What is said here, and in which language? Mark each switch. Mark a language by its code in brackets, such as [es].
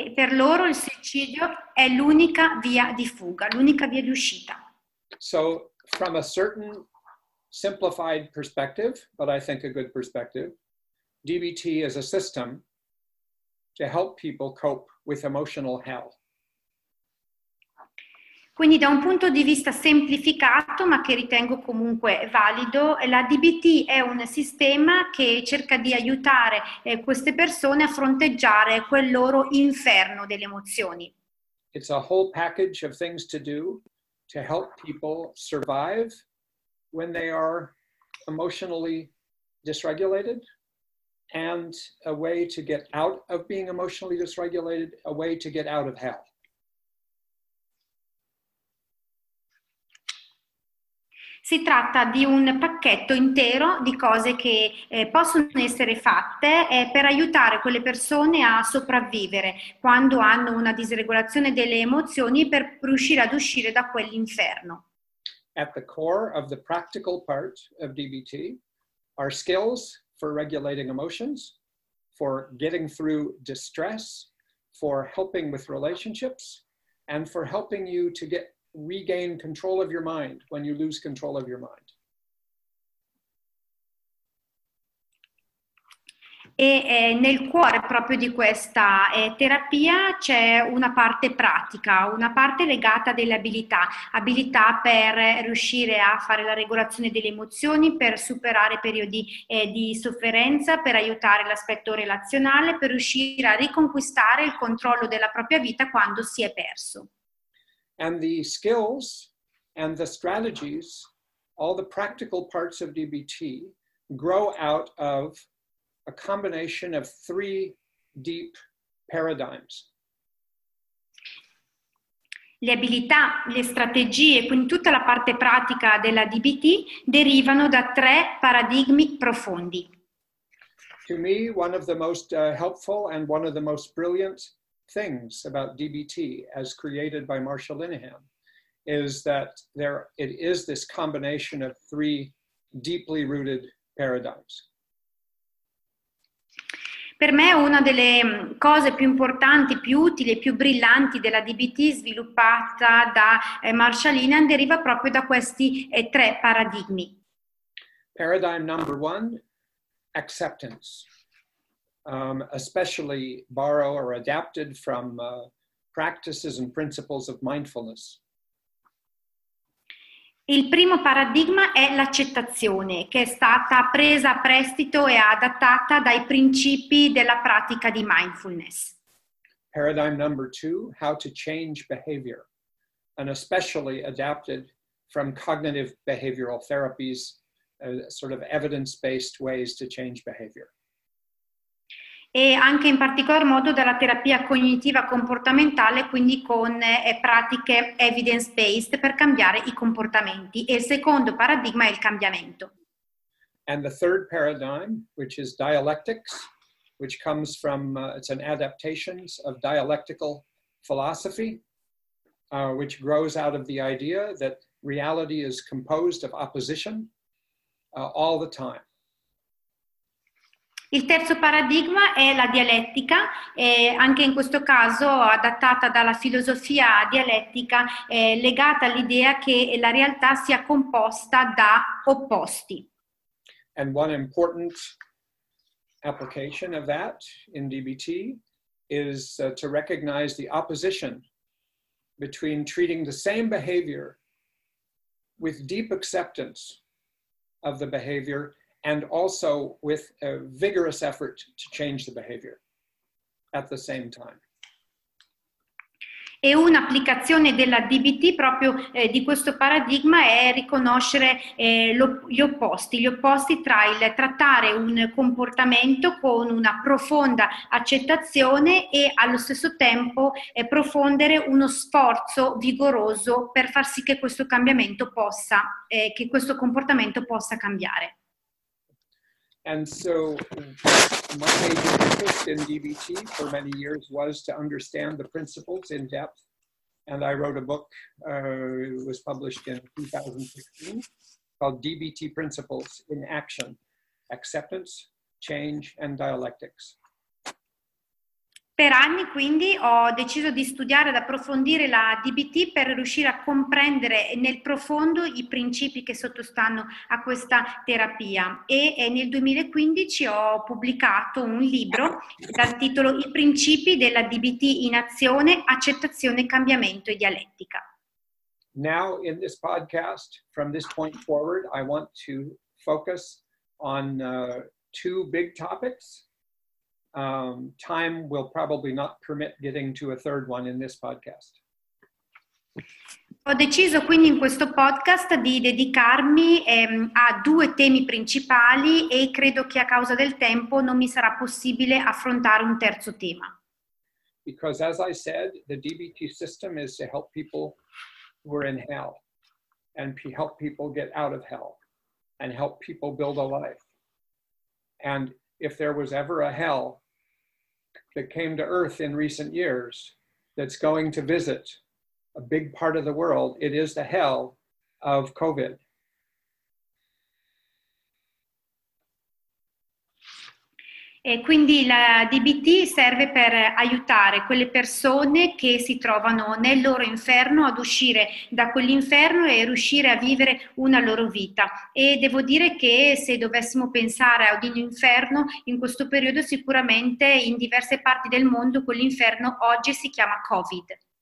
[it] E per loro il suicidio è l'unica via di fuga, l'unica via di uscita. [en] So, from a certain simplified perspective, but I think a good perspective, DBT is a system to help people cope with emotional hell. [it] Quindi da un punto di vista semplificato, ma che ritengo comunque valido, la DBT è un sistema che cerca di aiutare queste persone a fronteggiare quel loro inferno delle emozioni. [en] It's a whole package of things to do to help people survive when they are emotionally dysregulated, and a way to get out of being emotionally dysregulated, a way to get out of hell. [it] Si tratta di un pacchetto intero di cose che possono essere fatte per aiutare quelle persone a sopravvivere quando hanno una disregolazione delle emozioni per riuscire ad uscire da quell'inferno. [en] At the core of the practical part of DBT are skills for regulating emotions, for getting through distress, for helping with relationships, and for helping you to get regain control of your mind when you lose control of your mind. [it] E nel cuore proprio di questa terapia c'è una parte pratica, una parte legata alle abilità, abilità per riuscire a fare la regolazione delle emozioni, per superare periodi di sofferenza, per aiutare l'aspetto relazionale, per riuscire a riconquistare il controllo della propria vita quando si è perso. [en] And the skills and the strategies, all the practical parts of DBT, grow out of a combination of three deep paradigms. [it] Le abilità, le strategie, quindi tutta la parte pratica della DBT derivano da tre paradigmi profondi. [en] To me, one of the most helpful and one of the most brilliant things about DBT as created by Marsha Linehan is that it is this combination of three deeply rooted paradigms. [it] Per me una delle cose più importanti, più utili e più brillanti della DBT sviluppata da Marsha Linehan deriva proprio da questi tre paradigmi. [en] Paradigm number one, acceptance. Especially borrow or adapted from practices and principles of mindfulness. [it] Il primo paradigma è l'accettazione, che è stata presa a prestito e adattata dai principi della pratica di mindfulness. [en] Paradigm number two, how to change behavior, and especially adapted from cognitive behavioral therapies, sort of evidence-based ways to change behavior. [it] E anche in particolar modo dalla terapia cognitiva comportamentale, quindi con pratiche evidence-based per cambiare i comportamenti. E il secondo paradigma è il cambiamento. [en] And the third paradigm, which is dialectics, which comes from, it's an adaptations of dialectical philosophy, which grows out of the idea that reality is composed of opposition all the time. [it] Il terzo paradigma è la dialettica, anche in questo caso adattata dalla filosofia dialettica, legata all'idea che la realtà sia composta da opposti. [en] And one important application of that in DBT is to recognize the opposition between treating the same behavior with deep acceptance of the behavior and also with a vigorous effort to change the behavior at the same time. [it] E un'applicazione della DBT proprio di questo paradigma è riconoscere gli opposti tra il trattare un comportamento con una profonda accettazione e allo stesso tempo profondere uno sforzo vigoroso per far sì che questo cambiamento possa che questo comportamento possa cambiare. [en] And so my major interest in DBT for many years was to understand the principles in depth. And I wrote a book, it was published in 2016, called DBT Principles in Action, Acceptance, Change and Dialectics. [it] Per anni, quindi, ho deciso di studiare ed approfondire la DBT per riuscire a comprendere nel profondo i principi che sottostanno a questa terapia. E nel 2015 ho pubblicato un libro dal titolo I principi della DBT in azione, accettazione, cambiamento e dialettica. [en] Now, in this podcast, from this point forward, I want to focus on two big topics. Time will probably not permit getting to a third one in this podcast. [it] Ho deciso quindi in questo podcast di dedicarmi a due temi principali e credo che a causa del tempo non mi sarà possibile affrontare un terzo tema. [en] Because as I said, the DBT system is to help people who are in hell and help people get out of hell and help people build a life. And if there was ever a hell that came to Earth in recent years that's going to visit a big part of the world, it is the hell of COVID. [it] E quindi la DBT serve per aiutare quelle persone che si trovano nel loro inferno ad uscire da quell'inferno e riuscire a vivere una loro vita. E devo dire che se dovessimo pensare ad un inferno in questo periodo, sicuramente in diverse parti del mondo quell'inferno oggi si chiama COVID.